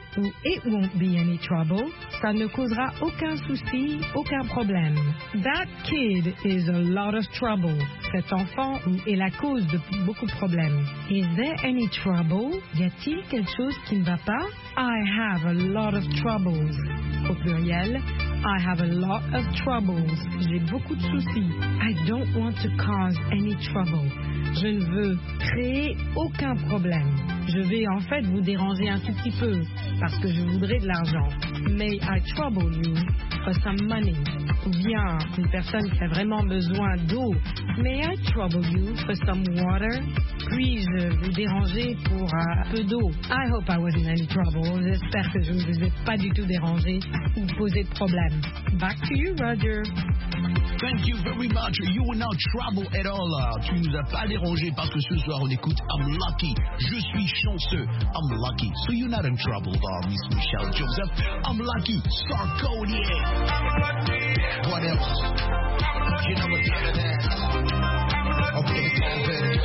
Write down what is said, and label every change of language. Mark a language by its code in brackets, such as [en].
[en] So it won't be any trouble. [fr] Ça ne causera aucun souci, aucun problème. [en] That kid is a lot of trouble. [fr] Cet enfant est la cause de beaucoup de problèmes. [en] Is there any trouble? [fr] Y a-t-il quelque chose qui ne va pas? [en] I have a lot of troubles. [fr] Au pluriel, [en] I have a lot of troubles. [fr] J'ai beaucoup de soucis. [en] I don't want to cause any trouble. [fr] Je ne veux créer aucun problème. Je vais en fait vous déranger un tout petit peu parce que je voudrais de l'argent. [en] May I trouble you for some money? [fr] Ou bien une personne qui a vraiment besoin d'eau. [en] May I trouble you for some water? [fr] Puis-je vous déranger pour un peu d'eau? [en] I hope I wasn't any trouble. [fr] J'espère que je ne vous ai pas du tout dérangé ou posé de problème. [en] Back to you, Roger. Thank you very much. You were not trouble at all. [fr] Tu nous as pas dérangé parce que ce soir on écoute [en] I'm lucky. [fr] Je suis chanceux. [en] I'm lucky. So you're not in trouble, Miss Michel Joseph. I'm lucky. Sarkozy. I'm lucky. What else? You know what's better than okay, it's all good.